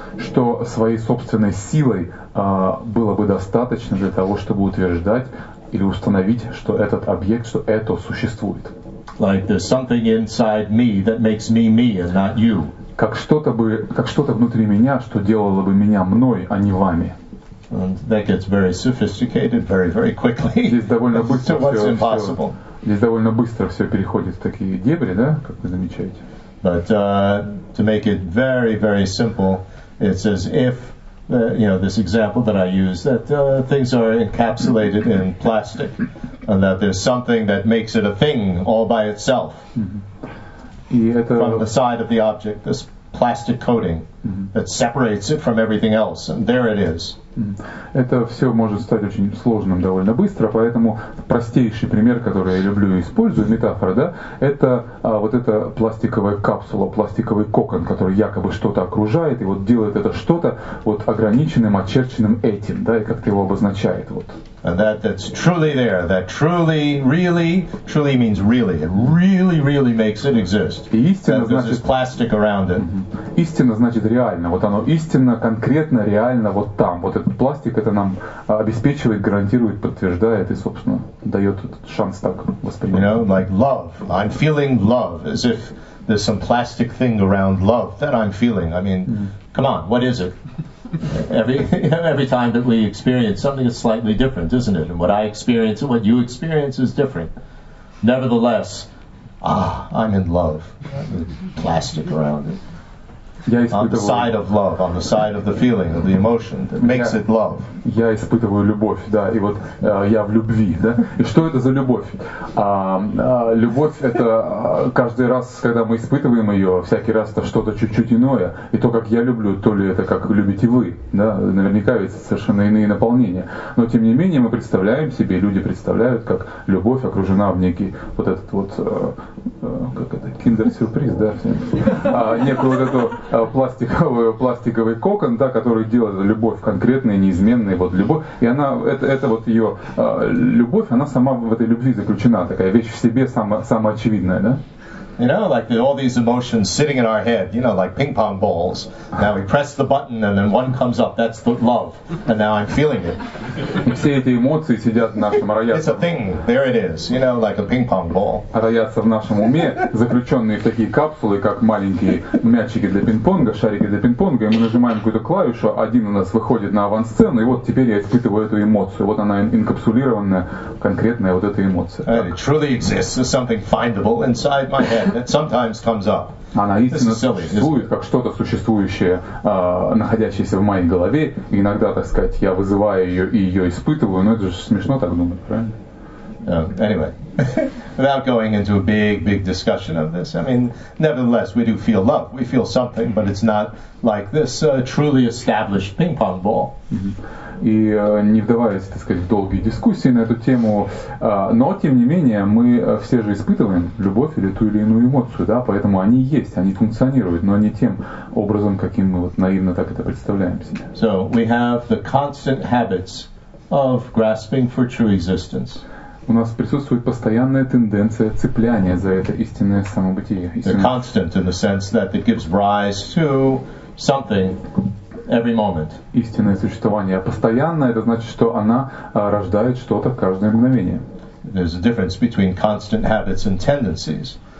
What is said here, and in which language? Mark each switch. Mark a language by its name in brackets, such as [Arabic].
[Russian] Что своей собственной силой было бы достаточно для того, чтобы утверждать или установить, что этот объект, что это существует. [English] Like there's something inside me that makes me me and not you. [Russian] Как что-то внутри меня, что делало бы меня мной, а не вами. [English] And that gets very sophisticated very, very quickly. [Russian] Здесь довольно быстро [English] what's impossible. [Russian] Здесь довольно быстро все переходит в такие дебри, да, как вы замечаете. [English] But to make it very, very simple, it's as if, you know, this example that I use, that things are encapsulated in plastic, and that there's something that makes it a thing all by itself. [Russian] И это [English] from the side of the object, this plastic coating that separates it from everything else, and there it is. [Russian] Это все может стать очень сложным довольно быстро, поэтому простейший пример, который я люблю и использую, метафора, да, это вот эта пластиковая капсула, пластиковый кокон, который якобы что-то окружает и вот делает это что-то вот ограниченным, очерченным этим, да, и как-то его обозначает. Вот. [English] And that's truly there, that truly, really, truly means really, it really, really makes it exist. [Russian] И истина значит [English] plastic around it. [Russian] Истина значит реально, вот оно истинно, конкретно, реально вот там, вот этот пластик, это нам обеспечивает, гарантирует, подтверждает и, собственно, дает этот шанс так воспринимать. [English] You know, like love. I'm feeling love, as if there's some plastic thing around love that I'm feeling. I mean, come on, what is it? Every time that we experience something, it's slightly different, isn't it? And what I experience and what you experience is different. Nevertheless, I'm in love. Plastic around it. On the side of the feeling, of the emotion, that makes it love. [Russian] Я испытываю любовь, да, и вот я в любви, да. И что это за любовь? Любовь — это каждый раз, когда мы испытываем ее, всякий раз это что-то чуть-чуть иное. И то, как я люблю, то ли это как любите вы, да, наверняка ведь совершенно иные наполнения. Но тем не менее мы представляем себе, люди представляют, как любовь окружена в некий вот этот вот, как это, киндер-сюрприз, да, некую вот эту пластиковый кокон, да, который делает любовь конкретная, неизменная, вот любовь, и она, это вот ее любовь, она сама в этой любви заключена, такая вещь в себе самоочевидная, да? [English] You know, like all these emotions sitting in our head, you know, like ping pong balls. Now we press the button and then one comes up. That's the love. And now I'm feeling it. [Russian] Все эти эмоции сидят в нашем роятце. [English] It's a thing. There it is. You know, like a ping pong ball. [Russian] Роятся в нашем уме, заключенные в такие капсулы, как маленькие мячики для пинг-понга, шарики для пинг-понга. И мы нажимаем какую-то клавишу, один у нас выходит на авансцену, и вот теперь я испытываю эту эмоцию. Вот она инкапсулированная, конкретная вот эта эмоция. [English] It truly exists as something findable inside my head. That sometimes comes up. [Russian] Она истинно существует, как что-то существующее, находящееся в моей голове. И иногда, так сказать, я вызываю ее и ее испытываю. Но это же смешно так думать, правильно? [English] Anyway, without going into a big, big discussion of this, I mean, nevertheless, we do feel love. We feel something, but it's not like this truly established ping-pong ball. [Russian] И не вдаваясь, так сказать, в долгие дискуссии на эту тему, но, тем не менее, мы все же испытываем любовь или ту или иную эмоцию, да, поэтому они есть, они функционируют, но не тем образом, каким мы вот наивно так это представляем себе. [English] So, we have the constant habits of grasping for true existence. [Russian] У нас присутствует постоянная тенденция цепляния за это истинное самобытие. [English] They're constant in the sense that it gives rise to something every moment. [Russian] Истинное существование постоянное, это значит, что она рождает что-то каждое мгновение. [English] There's a difference between constant habits and tendencies.